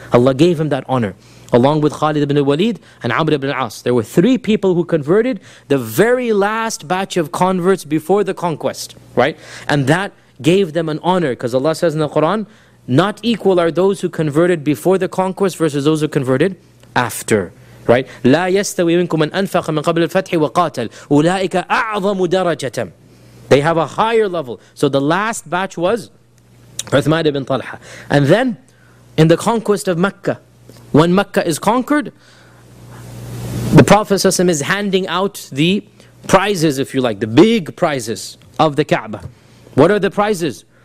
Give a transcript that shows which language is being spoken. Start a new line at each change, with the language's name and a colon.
English: Allah gave him that honor, along with Khalid ibn Walid and Amr ibn As. There were three people who converted the very last batch of converts before the conquest, right? And that gave them an honor, because Allah says in the Quran, not equal are those who converted before the conquest versus those who converted after. Right?
Arabic: لا يستوي منكم من أنفق من قبل الفتح وقاتل أولئك أعظم درجة.
English: They have a higher level. So the last batch was Uthman ibn Talha. And then in the conquest of Mecca, when Mecca is conquered, the Prophet ﷺ is handing out the prizes, if you like, the big prizes of the Kaaba. What are the prizes?